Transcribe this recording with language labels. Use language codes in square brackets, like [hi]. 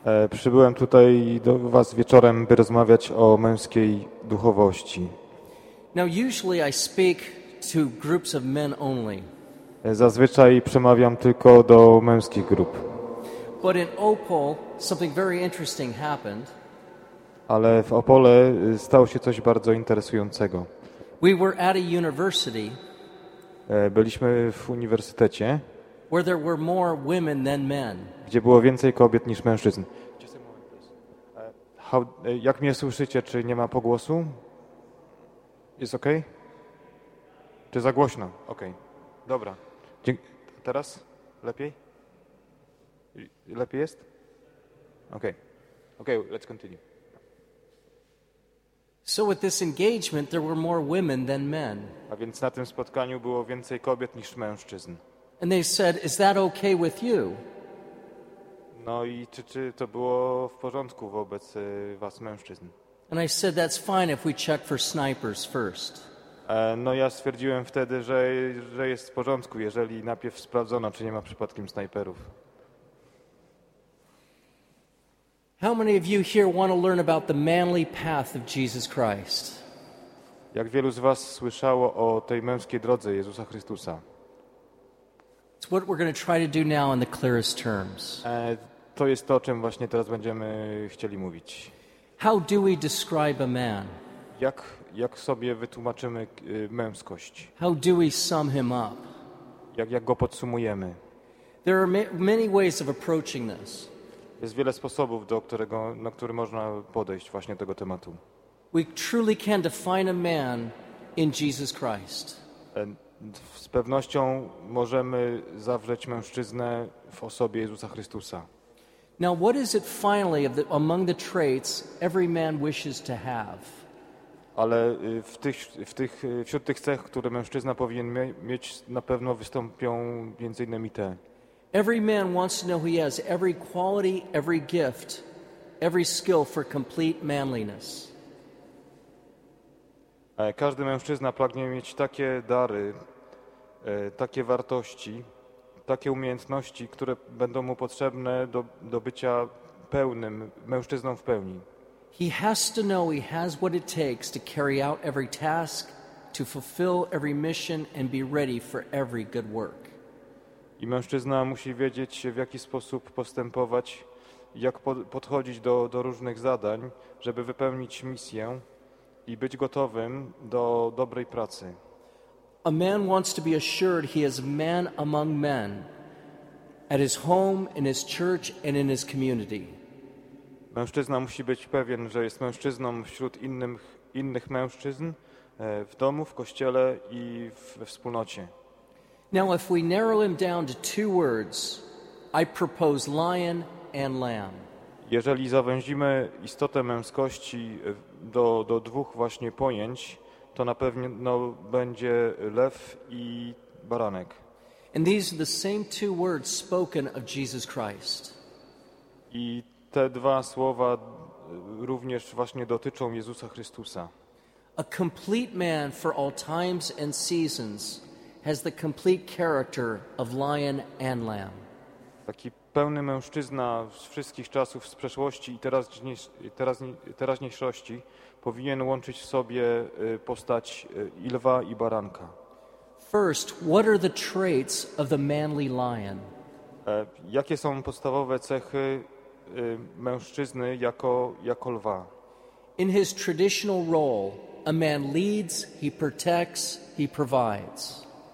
[pl] Przybyłem tutaj do was wieczorem, by rozmawiać o męskiej duchowości. [en] Now usually I speak to groups of men only. [pl] Zazwyczaj przemawiam tylko do męskich grup. [en] But in Opole something very interesting happened. [pl] Ale w Opole stało się coś bardzo interesującego. [en] We were at a university. [pl] Byliśmy w uniwersytecie, [en] where there were more women than men. [pl] Gdzie było więcej kobiet niż mężczyzn. Jak mnie słyszycie, czy nie ma pogłosu? Jest ok? Czy za głośno? Ok. Dobra. Teraz? Lepiej? Lepiej jest? Ok. Ok, [en] let's continue. So with this engagement there were more women than men. [pl] A więc na tym spotkaniu było więcej kobiet niż mężczyzn. [en] And they said, is that okay with you? [pl] No i czy to było w porządku wobec was mężczyzn? [en] And I said, that's fine if we check for snipers first. [pl] No ja stwierdziłem wtedy, że jest w porządku, jeżeli najpierw sprawdzono, czy nie ma przypadkiem snajperów. [en] How many of you here want to learn about the manly path of Jesus Christ? [pl] Jak wielu z was słyszało o tej męskiej drodze Jezusa Chrystusa? [en] It's what we're going to try to do now in the clearest terms. [pl] To jest to, o czym właśnie teraz będziemy chcieli mówić. [en] How do we describe a man? [pl] Jak sobie wytłumaczymy męskość? [en] How do we sum him up? [pl] Jak go podsumujemy? [en] There are many ways of approaching this. [pl] Jest wiele sposobów, na który można podejść właśnie do tego tematu. [en] We truly can define a man in Jesus Christ. [pl] Z pewnością możemy zawrzeć mężczyznę w osobie Jezusa Chrystusa. [en] Now what is it finally among the traits every man wishes to have? [pl] Ale wśród tych cech, które mężczyzna powinien mieć, na pewno wystąpią między innymi te. [en] Every man wants to know he has every quality, every gift, every skill for complete manliness. [pl] Każdy mężczyzna pragnie mieć takie dary, takie wartości, takie umiejętności, które będą mu potrzebne do bycia pełnym, mężczyzną w pełni. [en] He has to know he has what it takes to carry out every task, to fulfill every mission and be ready for every good work. [pl] I mężczyzna musi wiedzieć, w jaki sposób postępować, jak podchodzić do różnych zadań, żeby wypełnić misję i być gotowym do dobrej pracy. [en] A man wants to be assured he is man among men, at his home, in his church, and in his community. [pl] Mężczyzna musi być pewien, że jest mężczyzną wśród innych mężczyzn w domu, w kościele i we wspólnocie. [en] Now if we narrow him down to 2 words, I propose lion and lamb. [pl] Jeżeli zawęzimy istotę męskości do 2 właśnie pojęć, to na pewno będzie lew i baranek. [en] And these are the same 2 words spoken of Jesus Christ. [pl] I te 2 słowa również właśnie dotyczą Jezusa Chrystusa. [en] A complete man for all times and seasons has the complete character of lion and lamb. [pl] Taki pełny mężczyzna z wszystkich czasów, z przeszłości i teraźniejszości powinien łączyć w sobie postać i lwa i baranka. [en] First, what are the traits of the manly lion? [pl] Jakie są podstawowe cechy mężczyzny jako lwa? [en] In his traditional role, a man leads, he protects, he provides.